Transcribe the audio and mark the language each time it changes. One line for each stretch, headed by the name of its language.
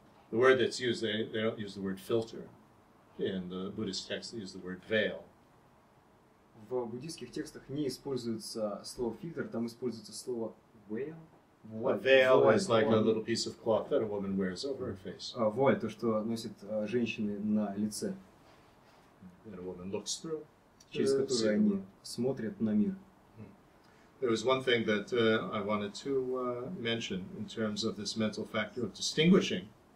English: The word that's used, they don't use the word filter. In the Buddhist text, they use the word veil.
Russian: В буддийских текстах не используется слово фильтр, там используется слово veil.
English: A veil is like a little piece of cloth that a woman wears over her face.
Russian: Вуаль, то, что носит женщины на лице.
English: That a woman looks through.
Russian: Через которую они смотрят на мир.
English: There was one thing that I wanted to mention in terms of this mental factor of distinguishing.